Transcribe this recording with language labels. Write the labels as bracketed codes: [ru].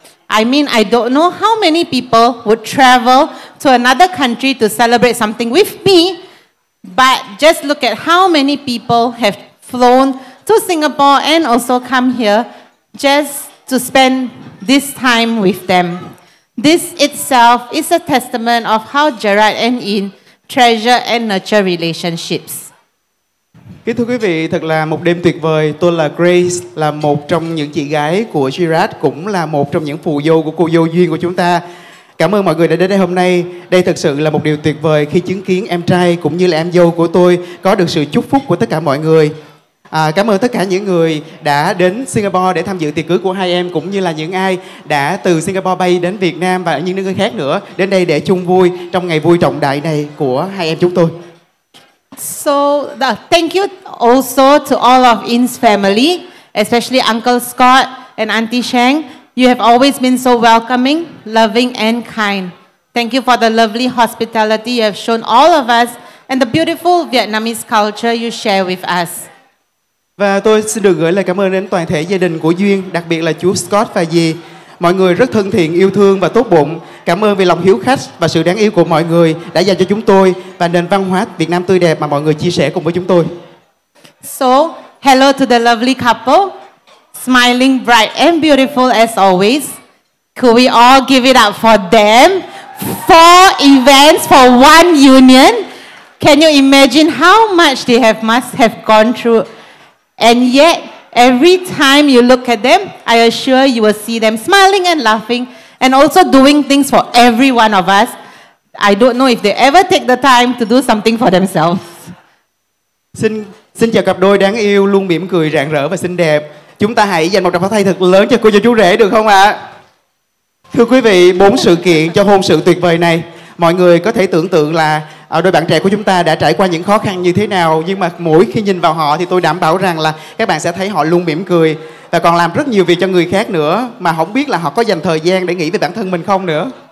[en] I mean, I don't know how many people would travel to another country to celebrate something with me, but just look at how many people have flown to Singapore and also come here just to spend this time with them. This itself is a testament of how Gerard and Yuen treasure and nurture relationships. [vi] Kính thưa quý vị, thật là một đêm tuyệt vời. Tôi là Grace, là một trong những chị gái của Gerard, cũng là một trong những phù dâu của cô dâu duyên của chúng ta. Cảm ơn mọi người đã đến đây hôm nay. Đây thật sự là một điều tuyệt vời khi chứng kiến em trai cũng như là em dâu của tôi có được sự chúc phúc của tất cả mọi người. Cảm ơn tất cả những người đã đến Singapore để tham dự tiệc cưới của hai em, cũng như là những ai đã từ Singapore bay đến Việt Nam và những nơi khác nữa đến đây để chung vui trong ngày vui trọng đại này của hai em chúng tôi. [en] So thank you also to all of In's family, especially Uncle Scott and Auntie Shang. You have always been so welcoming, loving and kind. Thank you for the lovely hospitality you have shown all of us and the beautiful Vietnamese culture you share with us. [vi] Và tôi xin được gửi lời cảm ơn đến toàn thể gia đình của Duyên, đặc biệt là chú Scott và dì. Mọi người rất thân thiện, yêu thương và tốt bụng. Cảm ơn vì lòng hiếu khách và sự đáng yêu của mọi người đã dành cho chúng tôi và nền văn hóa Việt Nam tươi đẹp mà mọi người chia sẻ cùng với chúng tôi. [en] So, hello to the lovely couple. Smiling, bright and beautiful as always. Could we all give it up for them? 4 events for 1 union. Can you imagine how much they have must have gone through? And yet, every time you look at them, I assure you will see them smiling and laughing and also doing things for every one of us. I don't know if they ever take the time to do something for themselves. [vi] Xin chào cặp đôi đáng yêu luôn mỉm cười rạng rỡ và xinh đẹp. Chúng ta hãy dành một tràng pháo tay thật lớn cho cô dâu chú rể được không ạ? Thưa quý vị, 4 sự kiện cho hôn sự tuyệt vời này. Mọi người có thể tưởng tượng là đôi bạn trẻ của chúng ta đã trải qua những khó khăn như thế nào, nhưng mà mỗi khi nhìn vào họ thì tôi đảm bảo rằng là các bạn sẽ thấy họ luôn mỉm cười và còn làm rất nhiều việc cho người khác nữa mà không biết là họ có dành thời gian để nghĩ về bản thân mình không nữa.